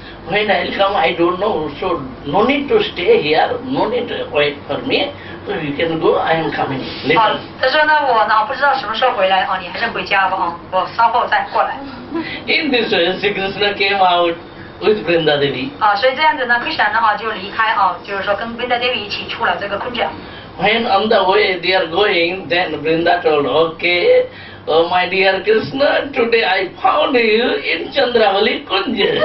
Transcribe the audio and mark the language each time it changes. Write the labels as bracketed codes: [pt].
[en] When I come, I don't know, so no need to stay here, no need to wait for me. So you can go, I am coming later. [zh] 他说呢，我呢不知道什么时候回来啊，你还是回家吧啊，我稍后再过来。 [en] In this way, Sri Krishna came out with Brinda Devi. [zh] 啊，所以这样子呢 ，Krishna 呢啊就离开啊，就是说跟 Brinda Devi 一起出了这个空间。 [en] When on the way they are going, then Brinda told, okay, oh my dear Krishna, today I found you in Chandravali Kunja.